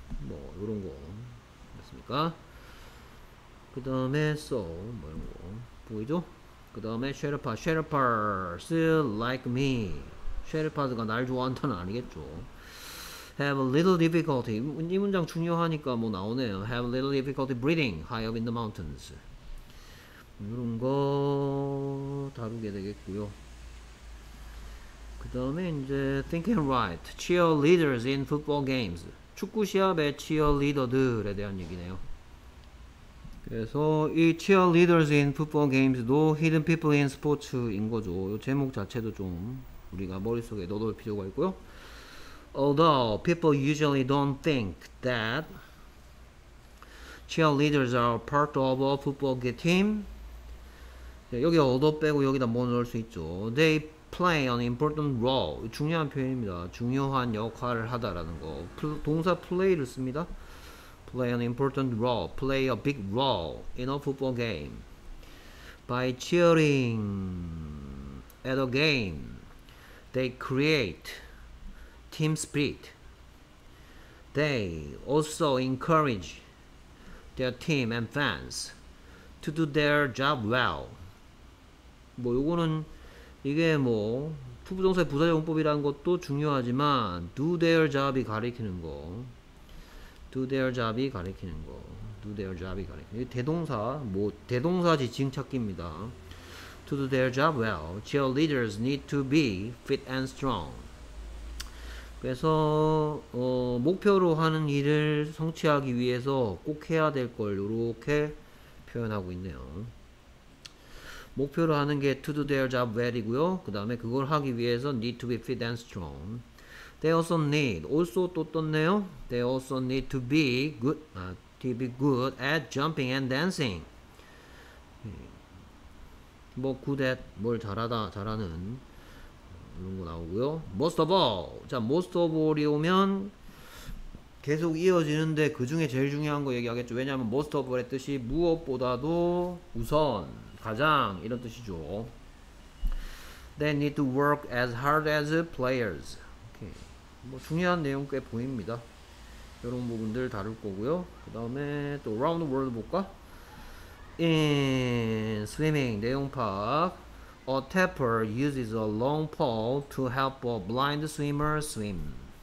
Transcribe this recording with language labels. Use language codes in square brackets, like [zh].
[ko] 뭐 이런 거 맞습니까? 그다음에 so 뭐 이런 거 보이죠? 그 다음에 [en] 쉐르파, Sherpas like me. [ko] 쉐르파가 날 좋아한다는 아니겠죠. [en] Have a little difficulty. [ko] 이 문장 중요하니까 뭐 나오네요. [en] Have a little difficulty breathing high up in the mountains. [ko] 이런 거 다루게 되겠고요. [en] 그 다음에 이제 thinking right. Cheerleaders in football games. [ko] 축구 시합의 cheerleader들에 대한 얘기네요. 그래서 이 [en] cheerleaders in football games [ko] 도 hidden people in sports인 거죠. 이 제목 자체도 좀 우리가 머릿속에 넣어둘 필요가 있고요. [en] Although people usually don't think that cheerleaders are part of a football team. [ko] 여기 although 빼고 여기다 뭐 넣을 수 있죠. [en] They play an important role. [ko] 중요한 표현입니다. 중요한 역할을 하다라는 거. [en] 동사 play를 씁니다. Play an important role, play a big role in a football game by cheering at a game. They create team spirit. They also encourage their team and fans to do their job well. [ko] 뭐 요거는 이게 뭐 투부정사의 부사용법이라는 것도 중요하지만 do their job이 가리키는 거. [en] Do their job이 [ko] 가리키는 거. [en] Do their job이 가리키는 거. [ko] 대동사, 뭐 대동사 지칭 찾기입니다. [en] To do their job well, cheerleaders need to be fit and strong. [ko] 그래서 목표로 하는 일을 성취하기 위해서 꼭 해야 될 걸 이렇게 표현하고 있네요. 목표로 하는 게 [en] to do their job well이고요. 그 다음에 그걸 하기 위해서 need to be fit and strong. They also need, also [ko] 또 떴네요. [en] They also need to be good, to be good at jumping and dancing. [ko] 뭐 good at, 뭘 잘하다, 잘하는 이런 거 나오고요. Most of all, 자 most of all이 오면 계속 이어지는데 그 중에 제일 중요한 거 얘기하겠죠. 왜냐하면 most of all의 뜻이 무엇보다도 우선, 가장 이런 뜻이죠. [en] They need to work as hard as players. [ko] 뭐 중요한 내용 꽤 보입니다. 이런 부분들 다룰 거고요. 그 다음에 또 round world 볼까? [en] In swimming [ko] 내용 파악. [en] A tapper uses a long pole to help a blind swimmer swim.